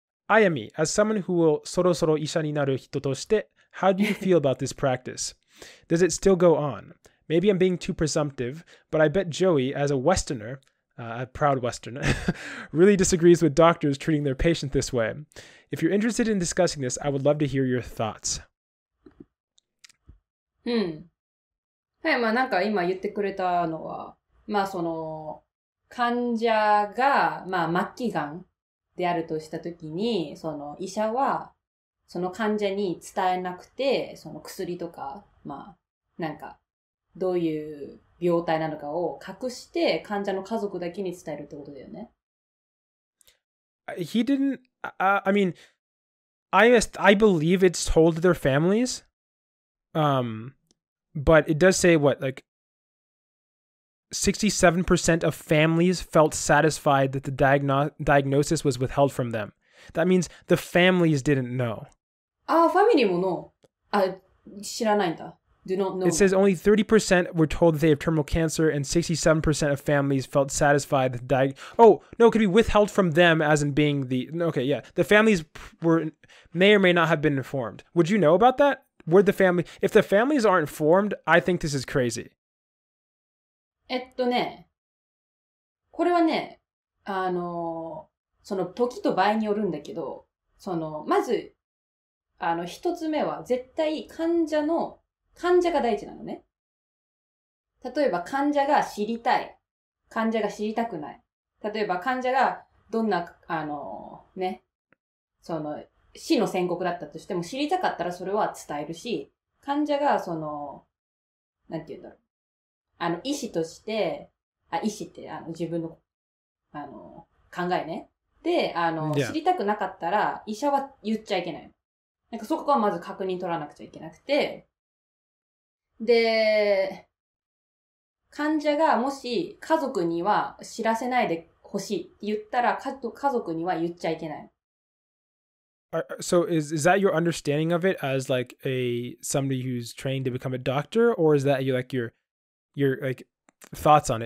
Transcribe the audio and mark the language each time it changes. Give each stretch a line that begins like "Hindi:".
English: Ayami, as someone who will
Japanese: soro-soro isha ni naru hito toshite,
English: how do you feel about this practice? Does it still go on? Maybe I'm being too presumptive, but I bet Joey, as a Westerner, a proud Westerner, really disagrees with doctors treating their patient this way. If you're interested in discussing this, I would love to hear your thoughts.
Japanese: はい、まあなんか今言ってくれたのは、まあその患者が、まあ末期がんであるとしたときに、その医者はその患者に伝えなくて、その薬とか、まあなんかどういう病態なのかを隠して患者の家族だけに伝えるってことだよね。
English: He didn't, I mean, I believe it's told to their families. But it does say what, like 67% of families felt satisfied that the diagnosis was withheld from them. That means the families didn't know. Ah, family
Japanese: も
English: no. Ah,
Japanese: 知らないんだ.
English: Do not know. It says only 30% were told that they have terminal cancer and 67% of families felt satisfied that the it could be withheld from them as in being the, okay, yeah. The families may or may not have been informed. Would you know about that? Where the family, if the families aren't formed, I think this is crazy.
Japanese: これはね、その時と場合によるんだけど、そのまず一つ目は絶対患者が第一なのね。例えば患者が知りたい、患者が知りたくない。例えば患者がどんなね、その死の宣告だったとしても知りたかったらそれは伝えるし、患者がその、なんて言うんだろう。医師として、医師って自分の、考えね。で、知りたくなかったら医者は言っちゃいけない。なんかそこはまず確認取らなくちゃいけなくて、で、患者がもし家族には知らせないでほしいって言ったら、家族には言っちゃいけない。
English: So is that your understanding of it as like somebody who's trained to become a doctor, or is that your like thoughts on it?